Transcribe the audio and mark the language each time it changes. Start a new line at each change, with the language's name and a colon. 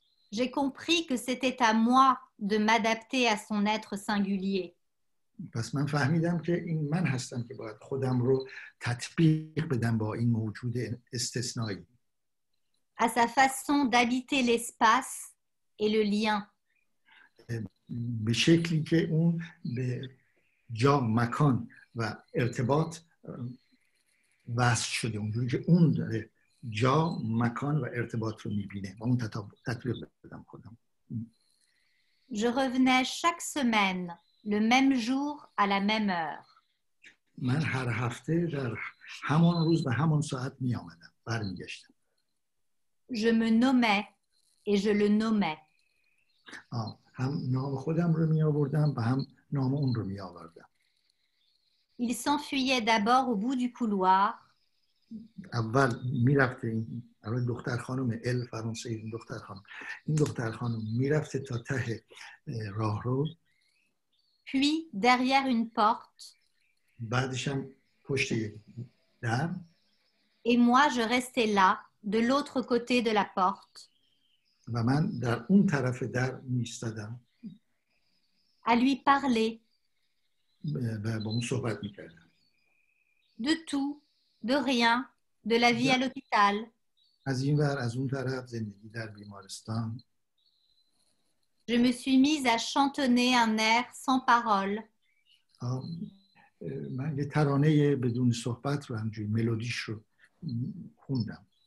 French: J'ai compris que c'était à moi de m'adapter à son être singulier.
Persian: پس من فهمیدم که این من هستم که باید خودم رو تطبیق بدم با این موجود استثنایی.
French: À sa façon d'habiter l'espace et le lien.
Persian: به شکلی که اون به جا مکان و ارتباط وصل شده اونجوری که اون داره جا مکان و ارتباط رو میبینه و اون تطبیق بدم خودم.
French: Je revenais chaque semaine le même jour à la même heure.
Persian: من هر هفته در همان روز و همان ساعت می آمدم برمیگشتم.
French: Je me nommais et je le nommais.
Persian: هم نام خودم رو می آوردم و هم نام اون رو می آوردم.
French: Il s'enfuyait d'abord au bout du couloir.
Persian: اول می رفت این دختر خانم ال فرانسه این دختر خانم می رفت تا ته راه رو.
French: Puis derrière une porte.
Persian: بعدشم پشت در.
French: Et moi je restais là. De l'autre côté de la porte.
Persian: و من در اون طرف در میستادم.
French: À lui parler.
Persian: با اون صحبت میکردم.
French: De tout, de rien, de la vie à l'hôpital.
Persian: از این ور از اون طرف زندگی در بیمارستان.
French: Je me suis mise à chantonner un air sans parole.
Persian: من یه ترانه بدون صحبت رو همجوری ملودیش رو خوندم.